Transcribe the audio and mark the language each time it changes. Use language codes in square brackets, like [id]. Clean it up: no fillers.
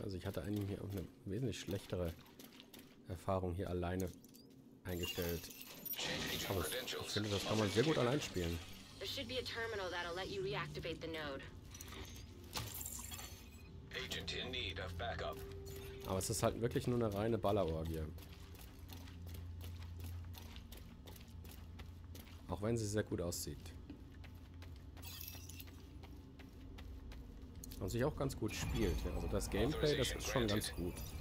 [de] Also ich hatte eigentlich hier auch eine wesentlich schlechtere Erfahrung hier alleine eingestellt. Aber ich finde, das kann man sehr gut allein spielen. [en] There should be a terminal that'll let you reactivate the node. Agent in need of backup. [de] Aber es ist halt wirklich nur eine reine Ballerorgie. Auch wenn sie sehr gut aussieht. Und sich auch ganz gut spielt. Also das Gameplay, das ist schon ganz gut.